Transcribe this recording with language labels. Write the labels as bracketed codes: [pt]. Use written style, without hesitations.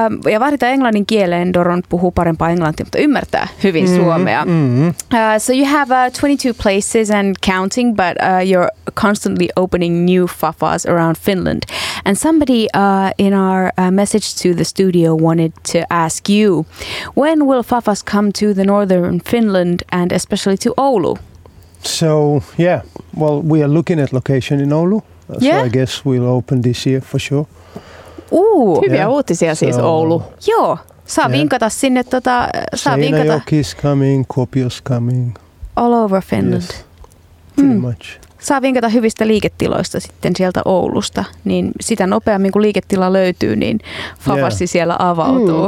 [fi] Ja vaaditaan englannin kieleen, Doron puhuu parempaa englantia, mutta ymmärtää hyvin suomea. Mm-hmm. [en] So you have 22 places and counting, but you're constantly opening new Fafas around Finland. And somebody in our message to the studio wanted to ask you, when will Fafas come to the northern Finland and especially to Oulu? So, yeah, well, we are looking at location in Oulu. Yeah. So I guess we'll open this year for sure. [fi] Hyviä uutisia siis, Oulu. Joo, saa vinkata sinne. [en] Seinäjoki is coming, Kuopio's coming. All over Finland. Yes, pretty much. [fi] Saa vinkata hyvistä liiketiloista sitten sieltä Oulusta. Niin sitä nopeammin, kun liiketila löytyy, niin Fafassi siellä avautuu.